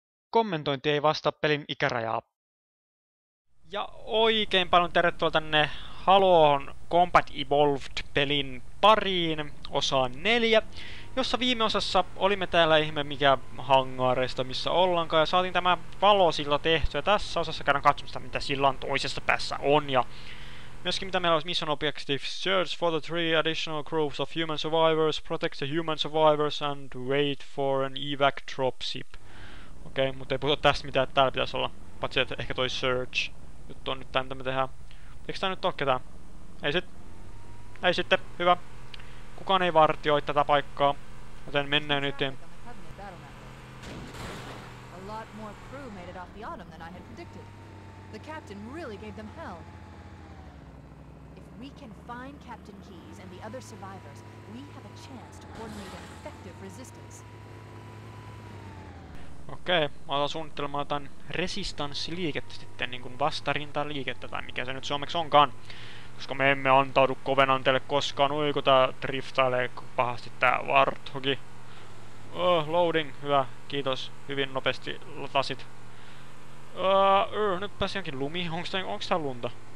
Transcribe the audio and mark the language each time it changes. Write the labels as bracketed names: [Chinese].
[Finnish] Kommentointi ei vastaa pelin ikärajaa. Ja oikein paljon tervetuloa tänne Haloon Combat Evolved-pelin pariin, osaan 4, jossa viime osassa olimme täällä ihme mikä hangaareista, missä ollaankaan, ja saatiin tämä valosilla tehty, ja tässä osassa käydään katsomassa, mitä sillan toisessa päässä on, ja myöskin mitä meillä olisi mission objective, [English] search for the 3 additional groups of human survivors, protect the human survivors, and wait for an evac dropship. [Finnish] Okei, okay, mutta ei puhuta tästä mitään, että täällä pitäisi olla. Patsi, että ehkä toi search juttu on nyt tää, mitä me tehdään. Eikö tää nyt oo ketään? Ei sit. Ei sitten, hyvä. Kukaan ei vartioi tätä paikkaa. Joten mennään nyt. [English] A lot more crew made it off the autumn than I had predicted. The captain really gave them hell. If we can find Captain Keys and the other survivors, we have a chance to coordinate an effective resistance. [Finnish] Okei, mä otan suunnittelemaan jotain resistanssiliikettä sitten, niin kuin vastarintaliikettä, tai mikä se nyt suomeksi onkaan. Koska me emme antaudu Covenantelle koskaan, ui kun tää driftailee pahasti tää Warthogi. Loading, hyvä, kiitos, hyvin nopeasti latasit. Nyt pääsi jonkin lumi, onks tää lunta?